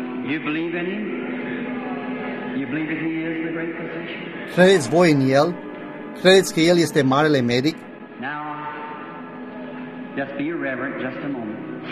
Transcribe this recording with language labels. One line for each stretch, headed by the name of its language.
English: You believe in him? You believe that he is the great physician?
Romanian: Credeți voi în el? Credeți că el este marele medic?
English: Now, just be irreverent just a moment.